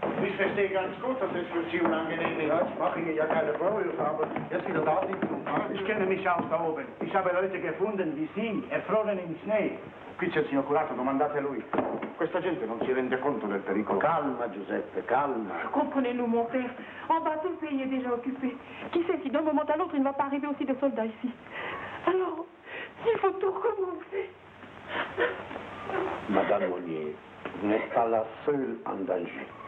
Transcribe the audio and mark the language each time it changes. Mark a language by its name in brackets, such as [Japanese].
[German] Mi feste ganz gut, dass es für Sie unangenehm ist. Ich mache Ihnen ja keine Vorwürfe, aber jetzt wieder da sind Sie. Ich kenne mich aus da oben. Ich habe Leute gefunden, wie Sie, erfroren im Schnee. [Italian] Qui c'è il signor curato, domandate a lui. Questa gente non si rende conto del pericolo. Calma, Giuseppe, calma. [French] Comprenez-nous, mon père. En bas, tout le pays est déjà occupé. Qui sait si d'un moment à l'autre, il ne va pas arriver aussi de soldats ici. Alors, il faut tout recommencer. Madame Monnier, vous n'êtes pas la seule en danger.